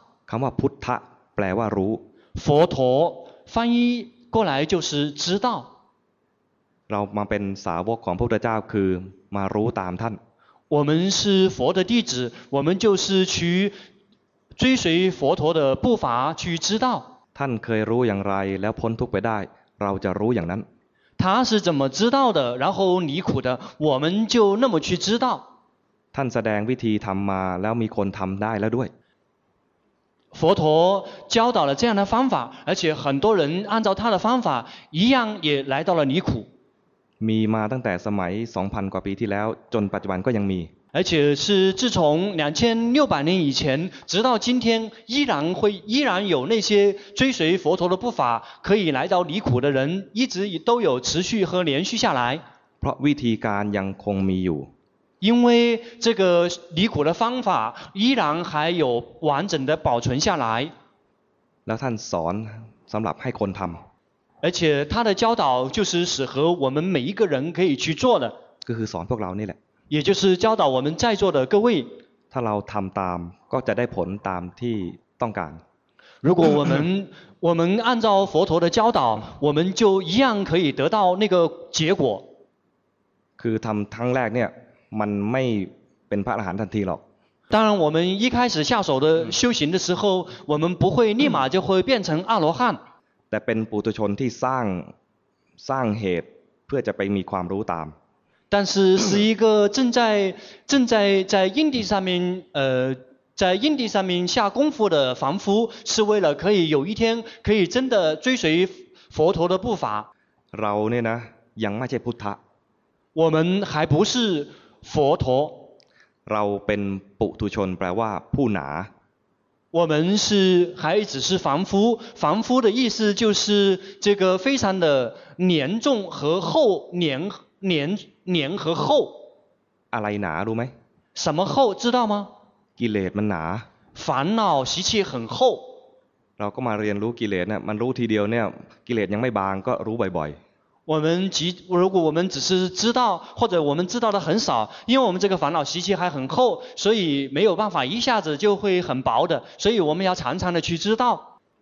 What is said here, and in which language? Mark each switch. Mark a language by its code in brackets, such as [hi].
[th] คำว่าพุทธะแปลว่ารู้ [zh] 佛陀翻译过来就是知道 [th] เรามาเป็นสาวกของพระพุทธเจ้าคือมารู้ตามท่าน [zh] 我们是佛的弟子我们就是去追随佛陀的步伐去知道 [th] ท่านเคยรู้อย่างไรแล้วพ้นทุกข์ไปได้เราจะรู้อย่างนั้น [zh] 他是怎么知道的然后离苦的我们就那么去知道 [th] ท่านแสดงวิธีทำมาแล้วมีคนทำได้แล้วด้วย [zh] 佛陀教导了这样的方法而且很多人按照他的方法一样也来到了离苦 [th] มีมาตั้งแต่สมัย 2,000 กว่าปีที่แล้วจนปัจจุบันก็ยังมี [zh] 而且是自从2600年以前直到今天依然有那些追随佛陀的步伐可以来到离苦的人一直都有持续和连续下来 [th] เพราะวิธีการยังคงมีอยู่ [zh] 因为这个离苦的方法依然还有完整的保存下来 [th] แล้วท่านสอนสำหรับให้คนทำ [zh] 而且他的教导就是适合我们每一个人可以去做的 [th] ก็คือสอนพวกเรานี่แหละ [zh] 也就是教导我们在座的各位 [th] ถ้าเราทำตามก็จะได้ผลตามที่ต้องการ [zh] 如果我们按照佛陀的教导我们就一样可以得到那个结果 [th] คือทำครั้งแรกเนี่ยมันไม่เป็นพระอรหันต์ทันทีหรอก [zh] 当然我们一开始下手的修行的时候我们不会立马就会变成阿罗汉 [th] แต่เป็นปุถุชนที่สร้างเหตุเพื่อจะไปมีความรู้ตาม [zh] 但是是一个正在印地上面在印地上面下功夫的凡夫，是为了可以有一天可以真的追随佛陀的步伐。 [th] เราเนี่ยนะยังไม่ใช่พุทธะ [zh] 我们还不是佛陀。 [th] เราเป็นปุถุชนแปลว่าผู้หนา [zh] 我们是还只是凡夫，凡夫的意思就是这个非常的黏重和厚，黏和厚。 [th] อะไรหนารู้ไหม？ [zh] 什么厚知道吗？ [th] กิเลสมันหนา。 [zh] 烦恼习气很厚。 [th] เราก็มาเรียนรู้กิเลสเนี่ยมันรู้ทีเดียวเนี่ยกิเลสยังไม่บางก็รู้บ่อยๆ [zh] 我们如果我们只是知道，或者我们知道的很少，因为我们这个烦恼习气还很厚，所以没有办法一下子就会很薄的，所以我们要常常的去知道。